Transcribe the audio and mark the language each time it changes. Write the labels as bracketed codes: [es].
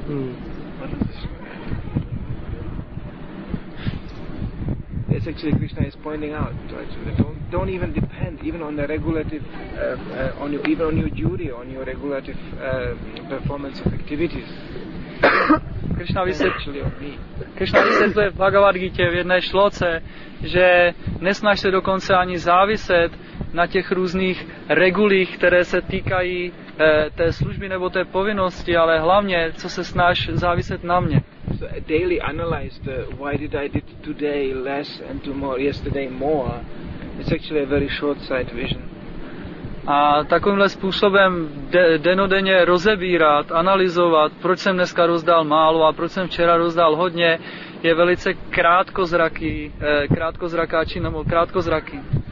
[en] Mm. It's actually Krishna is pointing out, right? Don't even depend even on the regulative on your, even on your duty, on your regulative performance of activities. [cs] Krishna vysvětluje o mě. Krishna vysvětluje v Bhagavad Gita v jedné šloce, že nesnaž se dokonce ani záviset na těch různých regulích, které se týkají té služby nebo té povinnosti, ale hlavně, co se snaž záviset na mě. [en] So I daily analyze the why did I did today less and tomorrow yesterday more. It's actually a very short-sighted vision. [cs] A takovýmhle způsobem denodenně rozebírat, analyzovat, proč jsem dneska rozdal málo a proč jsem včera rozdal hodně, je velice krátkozraký, krátkozrakáči nebo krátkozraký.